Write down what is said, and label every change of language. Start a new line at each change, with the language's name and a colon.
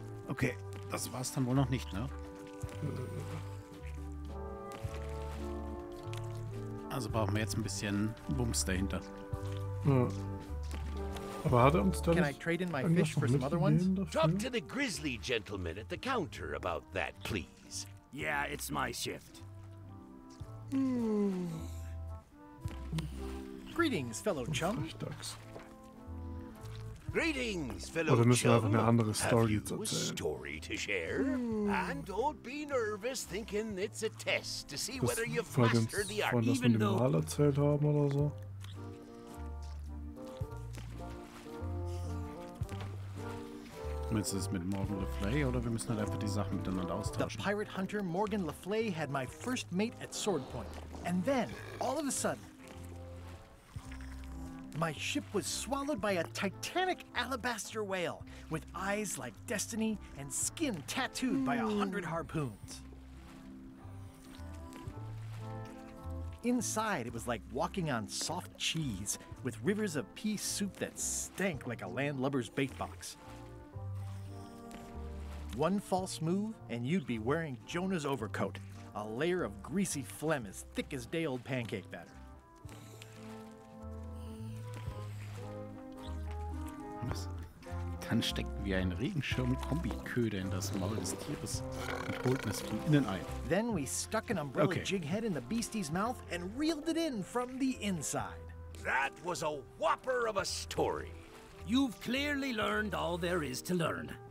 German: Okay, das war's dann wohl noch nicht, ne? Also brauchen wir jetzt ein bisschen Bums dahinter. Ja. Aber hat er uns dann nicht irgendwas von mitgegeben dafür?
English: Talk to the grizzly gentleman at the counter about that, please. Yeah, it's my shift. Greetings, fellow chum. Greetings, fellow Chum.
German: Oder müssen wir einfach eine andere Story erzählen?
English: Have you a story to share? And don't be nervous thinking it's a test to see whether you've mastered the art.
German: Das von dem Mal erzählt haben oder so. Jetzt ist mit Morgan Le Fay oder wir müssen halt einfach die Sachen miteinander austauschen.
English: The pirate hunter Morgan Le Fay had my first mate at Sword Point. And then, all of a sudden, my ship was swallowed by a titanic alabaster whale with eyes like destiny and skin tattooed by 100 harpoons. Inside, it was like walking on soft cheese with rivers of pea soup that stank like a landlubber's bait box. One false move and you'd be wearing Jonah's overcoat, a layer of greasy phlegm as thick as day-old pancake batter.
German: Was? Dann steckt wie ein Regenschirm-Kombiköder in das Maul des Tieres und holt es von innen ein.
English: Then we stuck an umbrella jig head in the beastie's mouth and reeled it in from the inside. That was a whopper of a story. You've clearly learned all there is to learn.